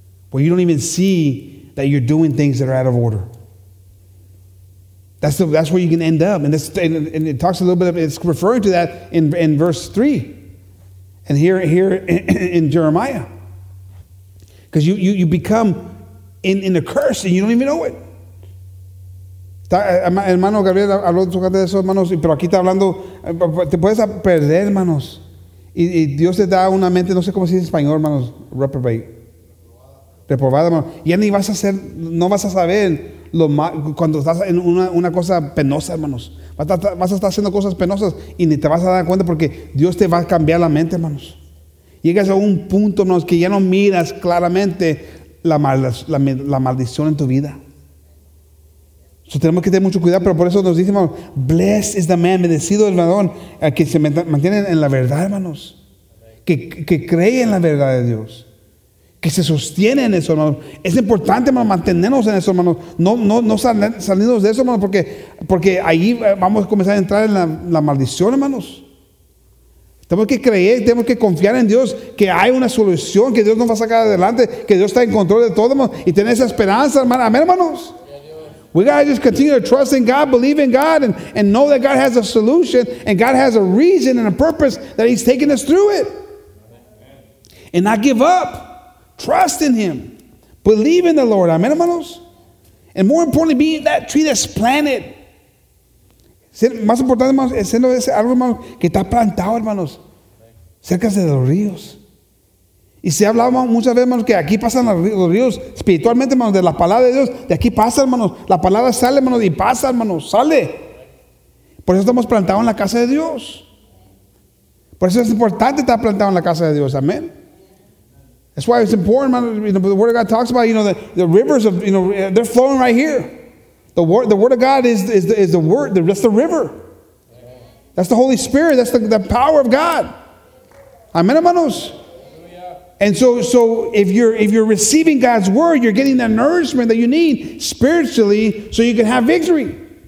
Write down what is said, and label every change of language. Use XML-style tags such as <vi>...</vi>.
<en>Where you don't even see that you're doing things that are out of order. That's where you can end up. And and it talks a little bit of, it's referring to that in verse 3. And here in Jeremiah. Because you become in a curse and you don't even know it.</en> <es>Hermano Gabriel habló de eso, hermanos, pero aquí está hablando, te puedes perder, hermanos. Y Dios te da una mente, no sé cómo se dice en español, hermanos, reprobate. Reprobada, hermano. Ya ni vas a hacer, no vas a saber lo cuando estás en una cosa penosa, hermanos. Vas a estar haciendo cosas penosas y ni te vas a dar cuenta porque Dios te va a cambiar la mente, hermanos. Llegas a un punto, hermanos, que ya no miras claramente la maldición en tu vida. So tenemos que tener mucho cuidado, pero por eso nos dice, hermanos,</es> <en>blessed is the man,</en> <es>bendecido el varón, que se mantiene en la verdad, hermanos. Que cree en la verdad de Dios. Que se sostiene en eso, hermanos. Es importante, hermanos, mantenernos en eso, hermanos. No salirnos de eso, hermanos, porque ahí vamos a comenzar a entrar en la maldición, hermanos. Tenemos que creer, tenemos que confiar en Dios, que hay una solución, que Dios nos va a sacar adelante, que Dios está en control de todo, y tener esa esperanza, hermano. Amén, hermanos.</es> <en>We got to just continue to trust in God, believe in God, and know that God has a solution, and God has a reason and a purpose that He's taking us through it. And not give up. Trust in Him. Believe in the Lord.</en> <es>Amén, hermanos.</es> <en>And more importantly, be that tree that's planted.</en> <es>Más importante, hermanos, es siendo ese árbol, hermanos, que está plantado, hermanos, cerca de los ríos. Y se ha hablado muchas veces, hermanos, que aquí pasan los ríos espiritualmente, hermanos, de la palabra de Dios. De aquí pasa, hermanos. La palabra sale, hermanos, y pasa, hermanos, sale. Por eso estamos plantados en la casa de Dios. Por eso es importante estar plantado en la casa de Dios.</es> <en>Amén. That's why it's important, man. You know, the Word of God talks about, you know, the rivers of, you know, they're flowing right here. The word of God is the word. That's the river. That's the Holy Spirit. That's the power of God. Amen,</en> <es>hermanos.</es> <en>And so if you're receiving God's word, you're getting the nourishment that you need spiritually, so you can have victory.</en>